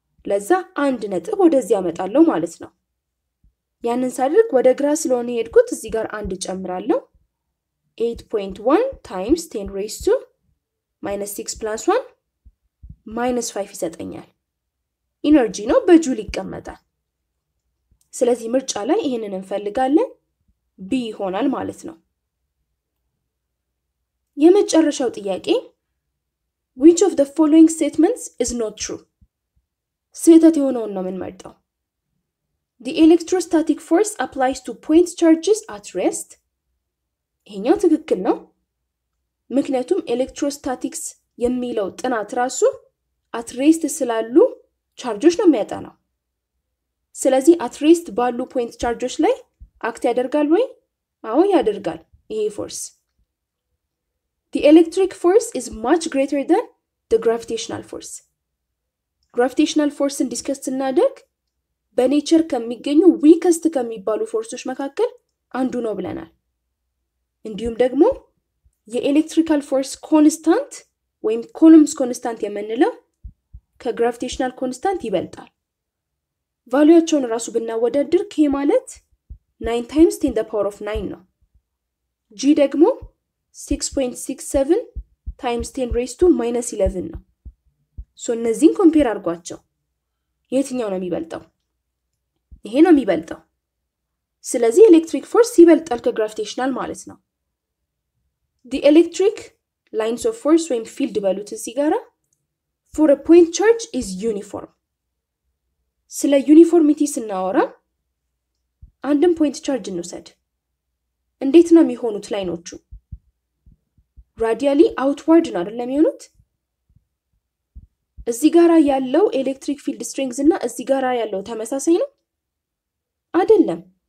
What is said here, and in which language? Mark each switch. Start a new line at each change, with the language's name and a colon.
Amharic: ለዛ አንድ ነጥብ ወደዚህ አመጣለው ማለት ነው ያንን ሳድርግ ወደ ግራ ስለሆነ ሄድኩት እዚህ ጋር አንድ ጨምራለሁ
English: 8.1 times 10 raised to minus 6 plus 1 minus 5
Amharic: ይሰጠኛል ኢነርጂ ነው በጁል ይቀመጣል ስለዚህ ምርጫ ላይ ይሄንን እንፈልጋለን b ይሆናል ማለት ነው የመጨረሻው ጥያቄ
English: which of the following statements is not true
Amharic: ስህተት የሆነውን ነው ምን መርጠው
English: The electrostatic force applies to point charges at rest.
Amharic: ይሄኛው ትክክል ነው ምክንያቱም electrostatics የሚለው ጥናት ራሱ at rest ስላሉ charges ነው የሚያጠናው ስለዚህ at rest ባሉ point charges ላይ act ያደርጋል ወይ አዎ ያደርጋል ይሄ force
English: The electric force is much greater than the gravitational force.
Amharic: gravitational force in discuss እናደርግ በኔቸር ከሚገኙ weakest ከሚባሉ forces መካከል አንዱ ነው ብለናል። እንዲሁም ደግሞ የelectrical force constant ወይም Coulomb's constant የምንለው ከgravitational constant ይበልጣል። ቫልዩአቸውን ራሱ ብናወዳድር k ማለት
English: 9 times 10 to the power of 9
Amharic: ነው። g ደግሞ
English: 6.67 times 10 raised to minus 11
Amharic: ነው። ሶ እነዚህን ኮምፔር አርጓቸው የትኛው ነው የሚበልጠው? ይሄ ነው የሚበልጠው። ስለዚህ electric force ይበልጣል ከgravitational ማለት ነው።
English: The electric lines of force when field value tsigara for a point charge is uniform.
Amharic: ስለ uniformity ስናወራ አንድም point charge እንወሰድ። እንዴት ነው የሚሆኑት ላይኖቹ? radially outward ነው አይደል የሚሆኑት? እዚህ ጋራ ያለው electric field strength እና እዚህ ጋራ ያለው ተመሳሳይ ነው አይደለም?